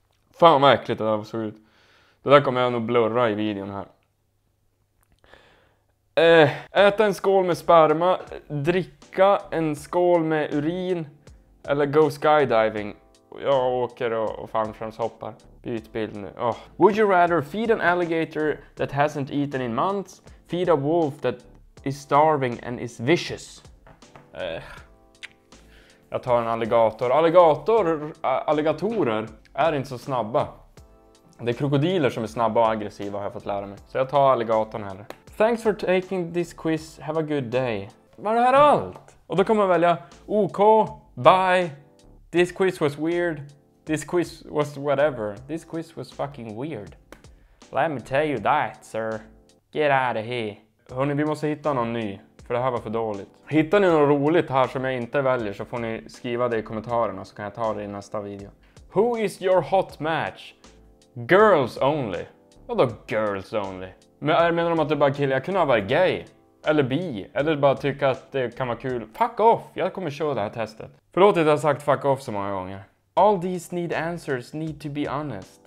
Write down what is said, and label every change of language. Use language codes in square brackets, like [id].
[sv] Fan vad äckligt det där såg ut. Det där kommer jag nog blurra i videon här. Äta en skål med sperma. Dricka en skål med urin. Eller [en] go skydiving. [sv] Jag åker och fallskärmshoppar. Byt bild nu. Oh. [en] Would you rather feed an alligator that hasn't eaten in months? Feed a wolf that is starving and is vicious? [sv] Jag tar en alligator. Alligatorer är inte så snabba. Det är krokodiler som är snabba och aggressiva har jag fått lära mig. Så jag tar alligatorn här. [en] Thanks for taking this quiz. Have a good day. [sv] Var det här allt? Och då kommer man välja [en] OK, bye. This quiz was weird. This quiz was whatever. This quiz was fucking weird. Let me tell you that, sir. Get out of here. [sv] Hörrni, vi måste hitta någon ny. För det här var för dåligt. Hittar ni något roligt här som jag inte väljer så får ni skriva det i kommentarerna så kan jag ta det i nästa video. [en] Who is your hot match? Girls only. [sv] Vadå [en] girls only? [sv] Men jag menar om att du bara kille, jag kunde ha varit gay. Eller bi. Eller bara tycka att det kan vara kul. [en] Fuck off, [sv] jag kommer köra det här testet. Förlåt att jag har sagt [en] fuck off [sv] så många gånger. [en] All these need answers, need to be honest.